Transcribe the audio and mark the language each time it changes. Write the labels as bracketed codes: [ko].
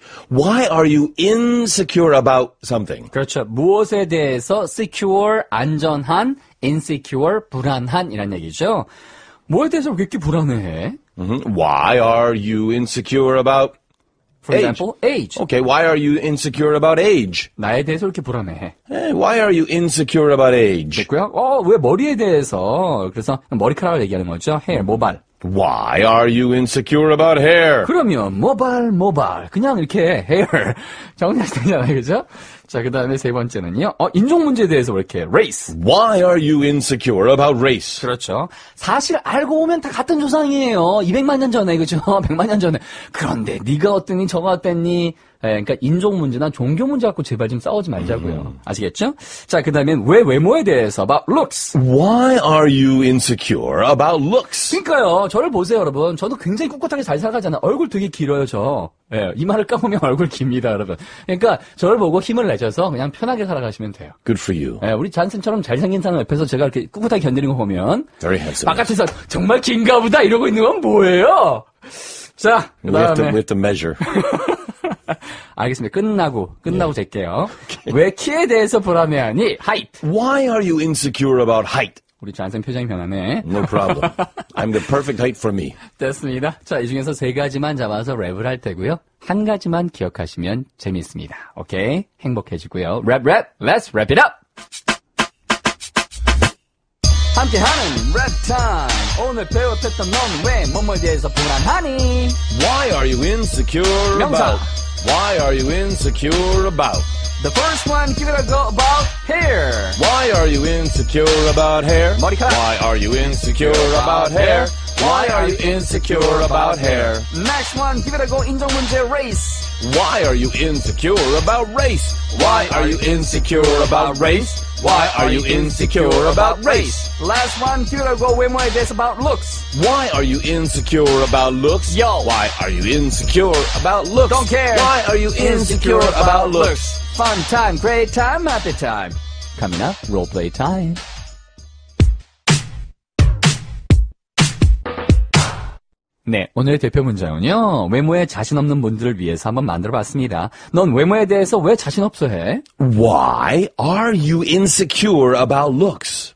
[en] Why are you insecure about something? [ko] 그렇죠. 무엇에 대해서 secure, 안전한, insecure, 불안한 이란 얘기죠. 뭐에 대해서 그렇게 불안해해? [en] Why are you insecure about For example, age. Okay, why are you insecure about age? [ko] 나이에 대해서 이렇게 불안해해. [en] Why are you insecure about age? [ko] 됐고요. 왜 머리에 대해서, 그래서 머리카락을 얘기하는 거죠. [en] Hair, 모발. Why are you insecure about hair? [ko] 그러면 모발. 그냥 이렇게 hair. 정리하시잖아요, 그죠? 자, 그 다음에 세 번째는요. 인종 문제에 대해서 이렇게 race. [en] Why are you insecure about race? [ko] 그렇죠. 사실 알고 보면 다 같은 조상이에요. 200만 년 전에, 그죠? 100만 년 전에. 그런데 네가 어땠니, 저가 어땠니. 네, 그러니까 인종 문제나 종교 문제 갖고 제발 좀 싸우지 말자고요. 아시겠죠? 자, 그 다음엔 왜 외모에 대해서 [en] about looks. Why are you insecure about looks? [ko] 그러니까요. 저를 보세요, 여러분. 저도 굉장히 꿋꿋하게 잘 살아가잖아요. 얼굴 되게 길어요, 저. 네, 이마를 까보면 얼굴 깁니다, 여러분. 그러니까 저를 보고 힘을 내셔서 그냥 편하게 살아가시면 돼요. [en] Good for you. [ko] 네, 우리 잔슨처럼 잘생긴 사람 옆에서 제가 이렇게 꿋꿋하게 견디는 거 보면 [en] Very handsome. [ko] 바깥에서 정말 긴가 보다 이러고 있는 건 뭐예요? 자, 그 다음에 [en] we have to measure. [ko] 알겠습니다. 끝나고 yeah. 될게요. Okay. 왜 키에 대해서 불안해하니? [en] Height. Why are you insecure about height? [ko] 우리 잔슨 표정이 변하네. [en] No problem. I'm the perfect height for me. [ko] 됐습니다. 자, 이 중에서 세 가지만 잡아서 랩을 할 테고요. 한 가지만 기억하시면 재미있습니다. 오케이? 행복해지고요. 랩. [en] Let's wrap it up. [ko] 함께하는 랩 타임. 오늘 배웠던 넌 왜 뭐뭐에 대해서 불안하니? [en] Why are you insecure [ko] 명사. [en] about? Why are you insecure about? The first one, give it a go about hair. Why are you insecure about hair? 머리카락. Why are you insecure about hair? Why are you insecure about hair? Next one, give it a go, [ko] 인종 문제, [en] race. Why are you insecure about race? Why are you insecure about race? Why are you insecure about race? Last one, give it a go, [ko] 외모에 대해서 [en] about looks. Why are you insecure about looks? Yo. Why are you insecure about looks? Don't care. Why are you insecure about looks? Fun time, great time, happy time. Coming up, role play time. [ko] (웃음) 네, 오늘의 대표 문장은요. 외모에 자신 없는 분들을 위해서 한번 만들어봤습니다. 넌 외모에 대해서 왜 자신 없어 해? [en] Why are you insecure about looks?